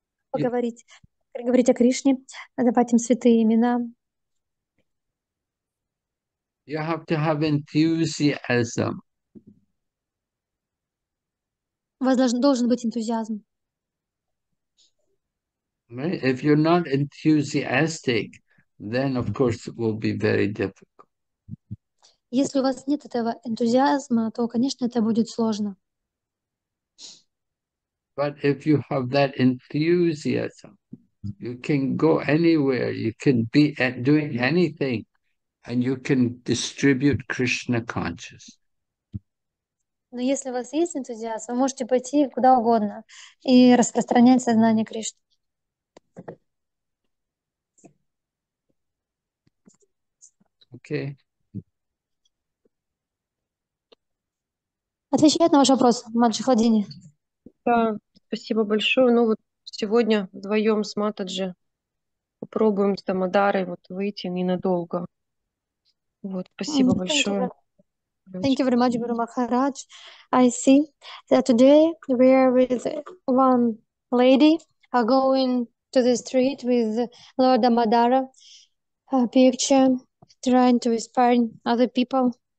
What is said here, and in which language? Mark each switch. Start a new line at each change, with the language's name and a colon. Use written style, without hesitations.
Russian: поговорить, говорить о Кришне, давать им святые имена.
English: You have to have enthusiasm.
Russian: У вас должен быть энтузиазм.
English: Right? If you're not enthusiastic, then of course it will be very difficult.
Russian: Если у вас нет этого энтузиазма, то, конечно, это будет сложно.
English: But if you have that enthusiasm, you can go anywhere, you can be at doing anything, and you can distribute Krishna consciousness.
Russian: Но если у вас есть энтузиазм, вы можете пойти куда угодно и распространять сознание Кришны.
English: Okay.
Russian: Отвечает на ваш вопрос, Маджи. Да, спасибо большое. Ну вот сегодня вдвоем с Матаджи попробуем с Дамодарой вот выйти ненадолго. Вот, спасибо большое.
English: Thank you very much, Guru Maharaj. I see that today we are with one lady going to the street with Lord Damodara picture, trying to inspire other people.